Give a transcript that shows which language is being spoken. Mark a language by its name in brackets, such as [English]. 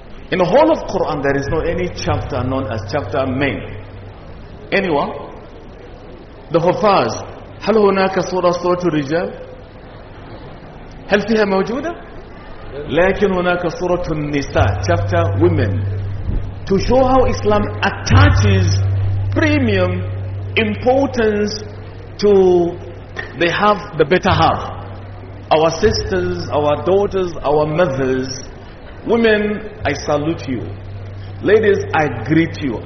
[English] In the whole of Quran, there is not any chapter known as chapter men. Anyone? The Hufaz, [Arabic] هل هناك سورة سورة الرجال؟ هل فيها موجودة؟ لكن هناك سورة النساء, [English] chapter women. To show how Islam attaches premium importance to they have the better half, our sisters, our daughters, our mothers. Women, I salute you. Ladies, I greet you.